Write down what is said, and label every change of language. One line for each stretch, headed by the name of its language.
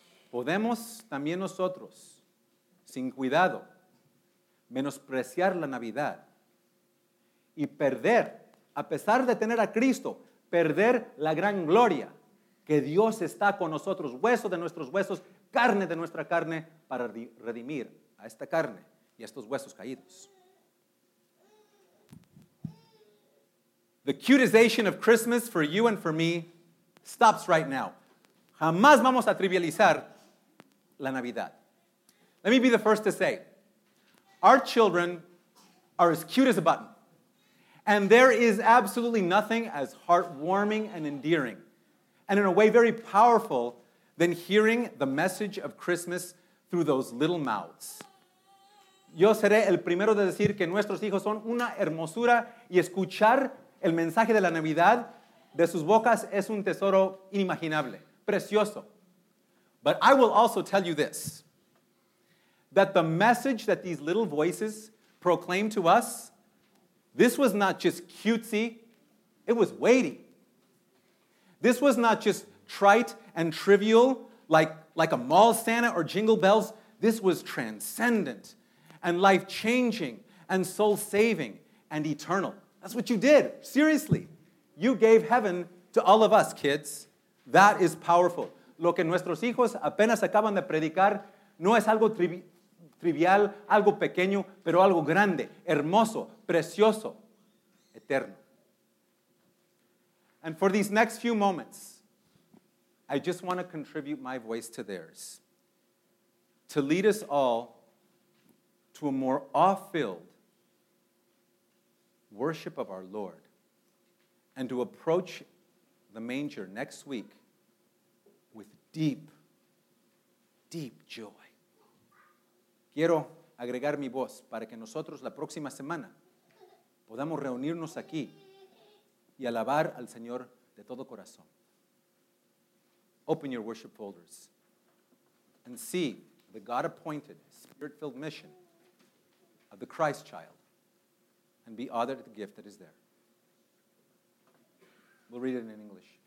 Spanish: Podemos también nosotros, sin cuidado, menospreciar la Navidad y perder, a pesar de tener a Cristo, perder la gran gloria que Dios está con nosotros, hueso de nuestros huesos, carne de nuestra carne, para redimir a esta carne y a estos huesos caídos.
English: The cutization of Christmas for you and for me stops right now.
Spanish: Jamás vamos a trivializar la Navidad.
English: Let me be the first to say, our children are as cute as a button. And there is absolutely nothing as heartwarming and endearing, and in a way very powerful, than hearing the message of Christmas through those little mouths.
Spanish: Yo seré el primero de decir que nuestros hijos son una hermosura y escuchar el mensaje de la Navidad de sus bocas es un tesoro inimaginable, precioso.
English: But I will also tell you this, that the message that these little voices proclaim to us, this was not just cutesy, it was weighty. This was not just trite and trivial, like a mall Santa or jingle bells. This was transcendent and life-changing and soul-saving and eternal. That's what you did. Seriously. You gave heaven to all of us, kids. That is powerful.
Spanish: Lo que nuestros hijos apenas acaban de predicar no es algo trivial, algo pequeño, pero algo grande, hermoso, precioso, eterno.
English: And for these next few moments, I just want to contribute my voice to theirs to lead us all to a more awe-filled worship of our Lord and to approach the manger next week with deep, deep joy.
Spanish: Quiero agregar mi voz para que nosotros la próxima semana podamos reunirnos aquí y alabar al Señor de todo corazón.
English: Open your worship folders and see the God-appointed, spirit-filled mission of the Christ child and be honored at the gift that is there. We'll read it in English.